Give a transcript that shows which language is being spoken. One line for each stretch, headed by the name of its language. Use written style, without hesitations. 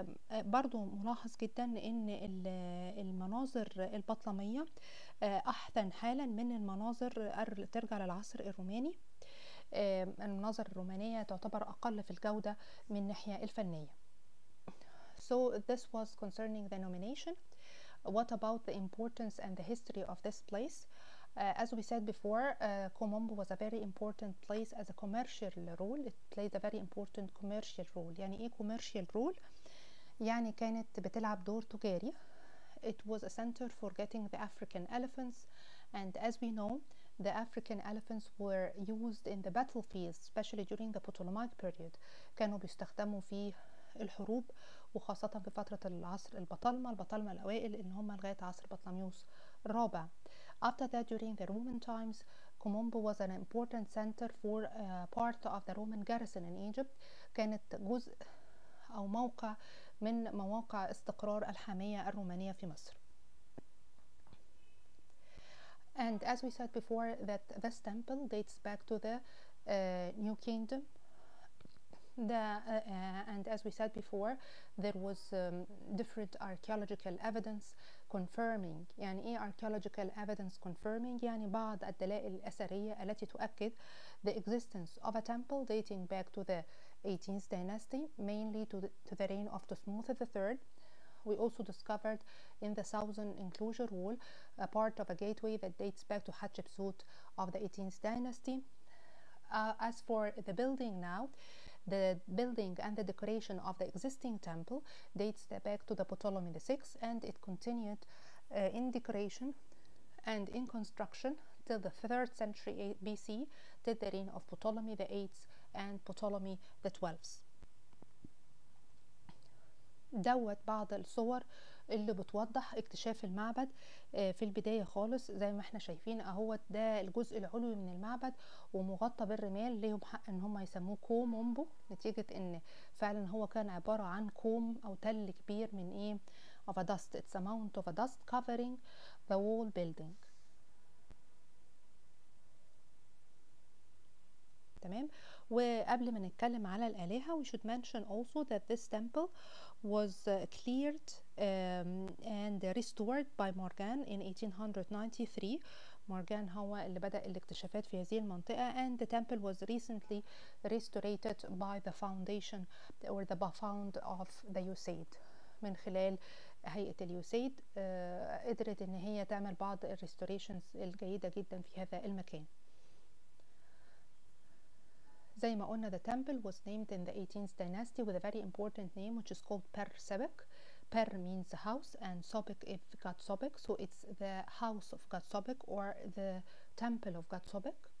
Arabic: برضو ملاحظ جدا ان المناظر البطلمية احسن حالا من المناظر اللي ترجع للعصر الروماني. المناظر الرومانية تعتبر اقل في الجودة من ناحية الفنية.
English: So this was concerning the nomination. What about the importance and the history of this place? As we said before, Komombo was a very important place as a commercial role. It played a very important commercial role.
Arabic: يعني إيه commercial role؟ يعني كانت بتلعب دور تجاري.
English: It was a center for getting the African elephants. And as we know, the African elephants were used in the battlefields, especially during the Ptolemaic period.
Arabic: كانوا بيستخدموا في الحروب، وخاصة في فترة العصر البطالمة، البطالمة الأوائل اللي هم لغاية عصر بطليموس الرابع.
English: After that, during the Roman times, Komombo was an important center for part of the Roman garrison in Egypt.
Arabic: كانت جزء أو موقع من مواقع استقرار الحامية الرومانية في مصر.
English: And as we said before, that this temple dates back to the New Kingdom. And as we said before, there was different archaeological evidence confirming.
Arabic: يعني إيه
English: archaeological evidence confirming؟
Arabic: يعني بعض الدلائل الأثرية التي تؤكد
English: the existence of a temple dating back to the 18th dynasty, mainly to the reign of Thutmose III. We also discovered in the southern enclosure wall a part of a gateway that dates back to Hatshepsut of the 18th dynasty. As for the building now, the building and the decoration of the existing temple dates back to the Ptolemy VI, and it continued in decoration and in construction till the 3rd century BC, till the reign of Ptolemy VIII and Ptolemy XII.
Arabic: دوت بعض الصور اللي بتوضح اكتشاف المعبد في البداية خالص، زي ما احنا شايفين اهو ده الجزء العلوي من المعبد ومغطى بالرمال، ليهم حق ان هم يسموه كومومبو نتيجة ان فعلا هو كان عبارة عن كوم او تل كبير من ايه
English: of a dust. It's a mound of a dust covering the whole building.
Arabic: تمام. وقبل ما نتكلم على الآلهة،
English: we should mention also that this temple was cleared and restored by Morgan in 1893.
Arabic: Morgan هو اللي بدأ الاكتشافات في هذه المنطقة.
English: And the temple was recently restored by the foundation or the bafound of the USAID.
Arabic: من خلال هيئة اليوسيد قدرت ان هي تعمل بعض الريستوريشنز الجيدة جدا في هذا المكان. زي ما قلنا
English: the temple was named in the 18th dynasty with a very important name which is called Per-Sebek. Per means house and Sobek is God Sobek, so it's the house of God Sobek or the temple of God Sobek.